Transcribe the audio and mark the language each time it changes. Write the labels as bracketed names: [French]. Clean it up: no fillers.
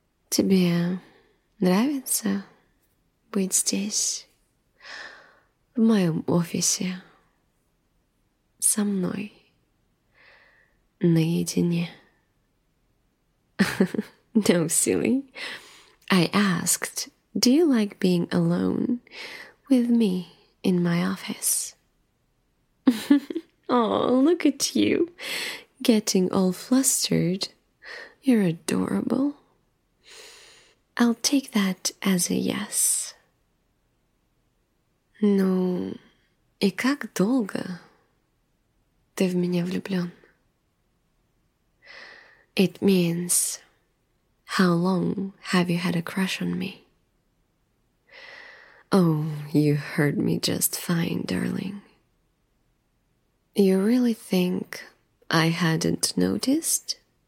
[Russian] Тебе нравится быть здесь, в моем офисе, со мной, наедине? [English] No, silly. I asked, do you like being alone with me in my office? Oh, look at you, getting all flustered. You're adorable. I'll take that as a yes. [Russian] Ну, и как долго ты в меня влюблен? [English] It means, how long have you had a crush on me? Oh, you heard me just fine, darling. You really think I hadn't noticed?